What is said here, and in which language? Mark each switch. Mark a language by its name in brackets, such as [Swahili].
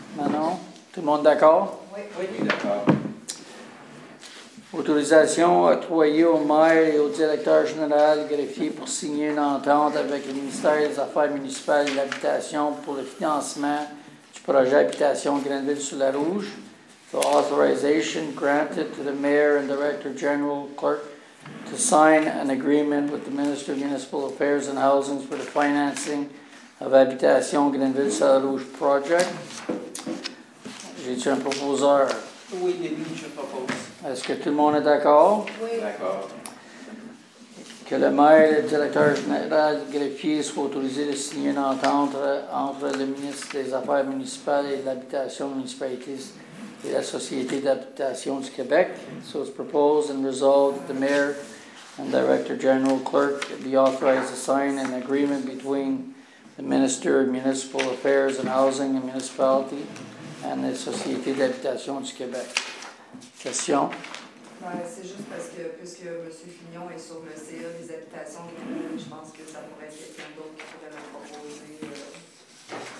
[French] Manon, tout le monde d'accord? Oui, oui, d'accord. Autorisation octroyée au maire et au directeur général greffier pour signer une entente avec le ministère des Affaires municipales et de l'Habitation pour le financement du projet Habitation Grenville-sur-la-Rouge. [English] The authorization granted to the mayor and director general clerk to sign an agreement with the Minister of Municipal Affairs and Housing for the financing of Habitation Grenville-sur-la-Rouge project. [French] J'ai-tu un proposeur? Oui, je propose. Est-ce que tout le monde est d'accord? Oui. D'accord. Que le maire et le directeur général greffier soient autorisés de signer une entente entre le ministre des Affaires municipales et de l'Habitation municipalité et la Société d'habitation du Québec. [English] So it's proposed and resolved that the mayor and director general clerk be authorized to sign an agreement between the Minister of Municipal Affairs and Housing and Municipality and the Société d'habitation du Québec. [French] Question? C'est juste parce que, puisque M. Fignon est sur le CA des habitations, je pense que ça pourrait être quelqu'un d'autre qui pourrait le proposer.